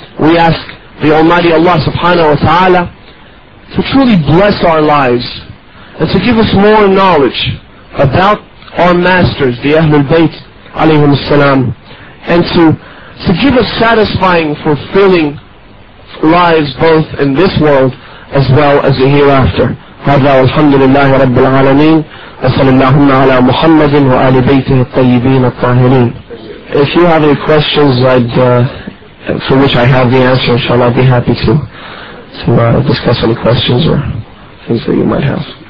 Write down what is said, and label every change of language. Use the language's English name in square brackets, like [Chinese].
[English] We ask the Almighty Allah subhanahu wa ta'ala to truly bless our lives and to give us more knowledge about our masters, the Ahlul Bayt, alayhim salam, and to give us satisfying, fulfilling lives both in this world as well as the hereafter. [Arabic] هذا والحمد لله رب العالمين وصلى اللهم على محمد وآل بيته الطيبين الطاهرين. [English] If you have any questions for which I have the answer, shall I be happy to discuss any questions or things that you might have.